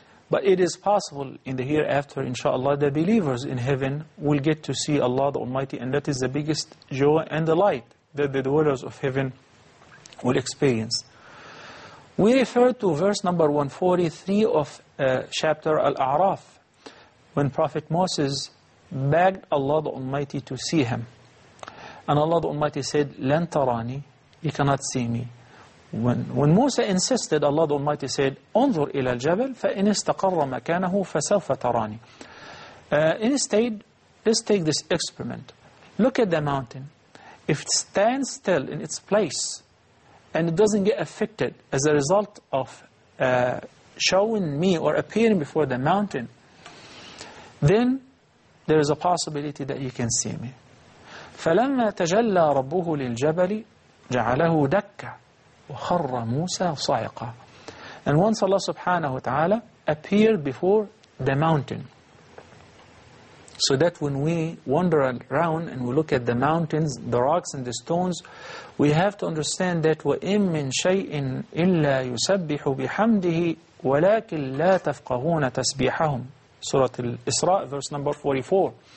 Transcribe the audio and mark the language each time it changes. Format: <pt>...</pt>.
<en>But it is possible in the hereafter, inshallah, the believers in heaven will get to see Allah the Almighty, and that is the biggest joy and delight that the dwellers of heaven will experience. We refer to verse number 143 of chapter Al-A'raf, when Prophet Moses begged Allah the Almighty to see him. And Allah the Almighty said,</en> <ar>لَن تَرَانِي,</ar> <en>you cannot see me. When Musa insisted, Allah the Almighty said,</en> <ar>انظر إلى الجبل فإن استقر مكانه فسوف تراني.</ar> <en>Instead, let's take this experiment. Look at the mountain. If it stands still in its place and it doesn't get affected as a result of showing me or appearing before the mountain, then there is a possibility that you can see me.</en> <ar>فلما تجلى ربه للجبل جعله دكا وخر موسى صاعقا.</ar> <en>And once Allah subhanahu wa ta'ala appeared before the mountain. So that when we wander around and we look at the mountains, the rocks and the stones, we have to understand that</en> <ar>وَإِن مِّن شَيْءٍ إِلَّا يُسَبِّحُ بِحَمْدِهِ وَلَكِنْ لَا تَفْقَهُونَ تَسْبِيحَهُمْ</ar> <en>Surah Al-Isra, verse number 44.</en>